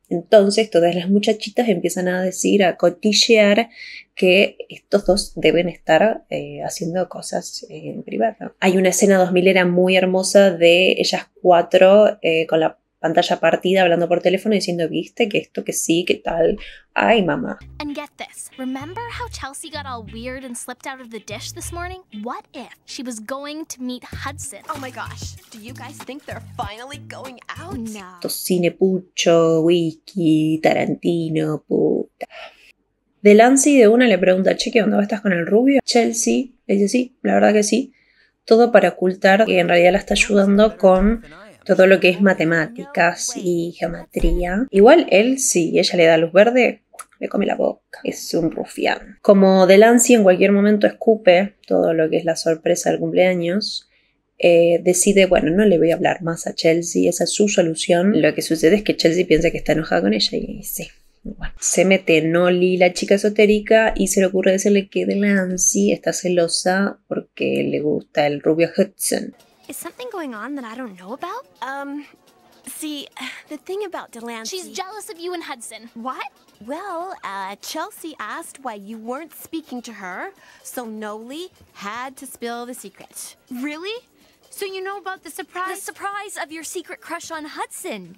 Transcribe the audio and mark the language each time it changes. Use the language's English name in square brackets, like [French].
[Spanish] Entonces todas las muchachitas empiezan a decir, a cotillear que estos dos deben estar haciendo cosas en privado. Hay una escena 2000era muy hermosa de ellas cuatro con la pantalla partida hablando por teléfono diciendo, viste que esto, que sí, que tal. Ay, mamá. [English] And get this. Remember how Chelsea got all weird and slipped out of the dish this morning? What if she was going to meet Hudson? Oh my gosh. Do you guys think they're finally going out? [Spanish] No. Esto, cine pucho, whisky, Tarantino, puta. Delancey de una le pregunta, che, ¿qué onda? ¿Estás con el rubio? Chelsea le dice, sí, la verdad que sí. Todo para ocultar que en realidad la está ayudando con todo lo que es matemáticas y geometría. Igual él, si ella le da luz verde, le come la boca. Es un rufián. Como Delancey en cualquier momento escupe todo lo que es la sorpresa del cumpleaños, decide, bueno, no le voy a hablar más a Chelsea. Esa es su solución. Lo que sucede es que Chelsea piensa que está enojada con ella y sí. Bueno, se mete Noli, la chica esotérica, y se le ocurre decirle que Delancey está celosa porque le gusta el rubio Hudson. [English] Is something going on that I don't know about? See, the thing about Delancey... She's jealous of you and Hudson. What? Well, Chelsea asked why you weren't speaking to her, so Noli had to spill the secret. Really? So you know about the surprise? The surprise of your secret crush on Hudson.